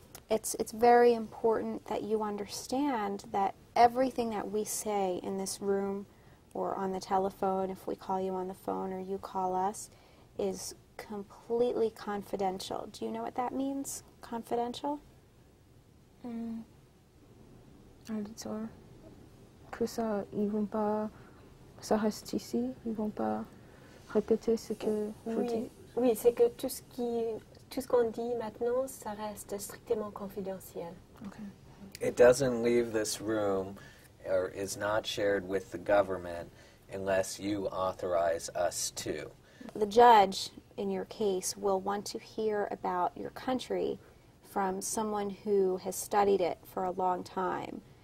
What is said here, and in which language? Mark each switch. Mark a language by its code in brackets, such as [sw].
[en] It's very important that you understand that everything that we say in this room or on the telephone, if we call you on the phone or you call us, is completely confidential. Do you know what that means, confidential? [fr] Auditeur. Que ça, ils vont pas, ça reste ici, ils vont pas répéter ce que vous dites. Oui, c'est que tout ce qu'on dit maintenant, ça reste strictement confidentiel. [en] Okay. It doesn't leave this room or is not shared with the government unless you authorize us to. The judge in your case will want to hear about your country from someone who has studied it for a long time.